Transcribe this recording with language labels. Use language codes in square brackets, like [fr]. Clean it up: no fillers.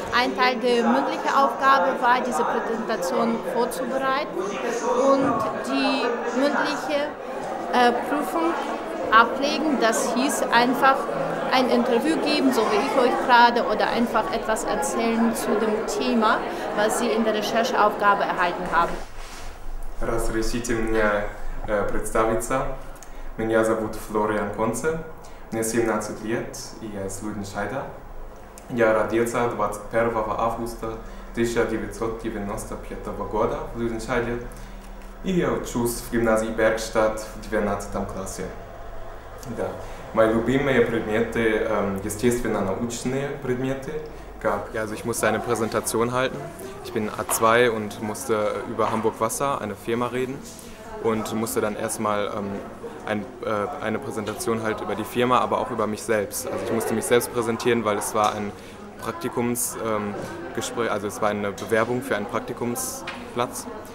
[de] Ein Teil der mündlichen Aufgabe war, diese Präsentation vorzubereiten und die mündliche Prüfung ablegen. Das hieß einfach ein Interview geben, so wie ich euch gerade, oder einfach etwas erzählen zu dem Thema, was sie in der Rechercheaufgabe erhalten haben. [ru] Разрешите мне представиться. Меня зовут Флориан Конце. Мне 17 лет, и я из Люденшайда. Я родился 21 августа 1995 года в Люденшайде. И я учусь в гимназии Бергштадт в 12 классе. Да. Мои любимые предметы, естественно-научные предметы. [de] Ja, also ich musste eine Präsentation halten. Ich bin A2 und musste über Hamburg Wasser, eine Firma, reden. Und musste dann erstmal eine Präsentation halt über die Firma, aber auch über mich selbst. Also ich musste mich selbst präsentieren, weil es war ein Praktikumsgespräch, also es war eine Bewerbung für einen Praktikumsplatz.